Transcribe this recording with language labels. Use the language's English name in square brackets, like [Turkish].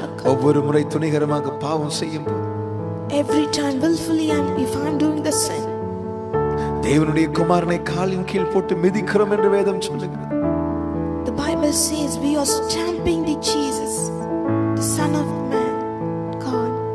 [Tamil] ஒவ்வொரு முறை துணிகரமாக பாவம் செய்யும் போது [English] every time willfully and if I'm doing the sin [Tamil] தேவனுடைய குமாரனை காலின் கீழ் போட்டு மிதிக்கிறோம் என்று வேதம் சொல்கிறது [English] the bible says we are stamping the jesus the son of man god